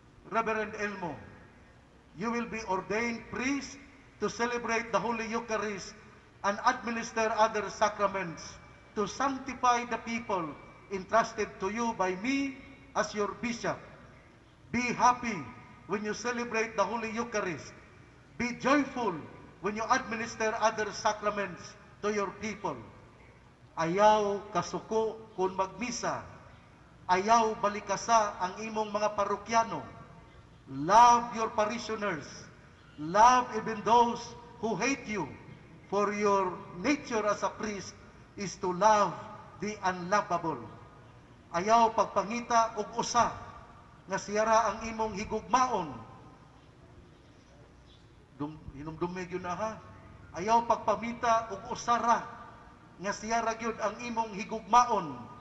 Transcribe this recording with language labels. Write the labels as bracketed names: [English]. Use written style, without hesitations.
[English] Reverend Elmo, you will be ordained priest to celebrate the Holy Eucharist and administer other sacraments to sanctify the people entrusted to you by me as your bishop. Be happy when you celebrate the Holy Eucharist. Be joyful when you administer other sacraments to your people. [Cebuano] Ayaw kasuko kung magmisa. Ayaw balikasa ang imong mga parokyano. [English] Love your parishioners. Love even those who hate you. For your nature as a priest is to love the unlovable. [Cebuano] Ayaw pagpangita og usa nga siyara ang imong higugmaon. Hinumdumig yun na ha. Ayaw pagpamita og usara nga siyara yun ang imong higugmaon.